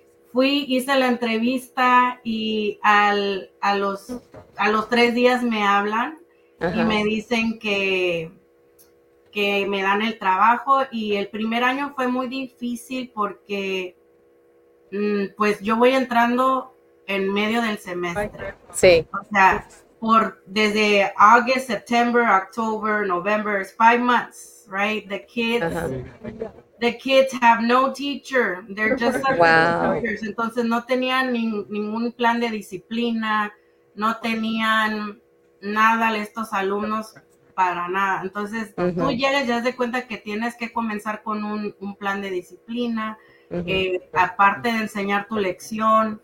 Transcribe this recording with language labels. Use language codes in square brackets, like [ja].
[es] Fui, hice la entrevista, y a los 3 días me hablan y me dicen que me dan el trabajo. Y el primer año fue muy difícil porque pues yo voy entrando en medio del semestre. Sí. O sea, desde [en] August, September, October, November, it's 5 months. Right, the kids have no teacher, they're just teachers. [es] Entonces no tenían ningún plan de disciplina, no tenían nada estos alumnos, para nada. Entonces tú llegas, ya te das cuenta que tienes que comenzar con un plan de disciplina, aparte de enseñar tu lección.